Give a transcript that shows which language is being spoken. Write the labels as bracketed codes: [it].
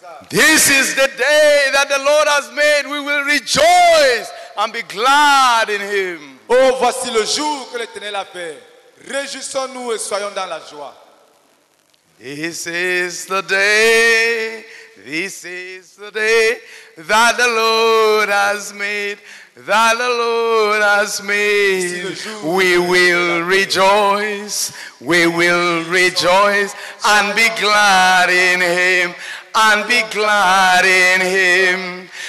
[en] This is the day that the Lord has made. We will rejoice and be glad in him. [fr] Oh, voici le jour que l'Éternel a fait. Réjouissons-nous et soyons dans la joie. [en] This is the day, this is the day that the Lord has made, that the Lord has made. We will rejoice, we will rejoice and be glad in him, and be glad in him.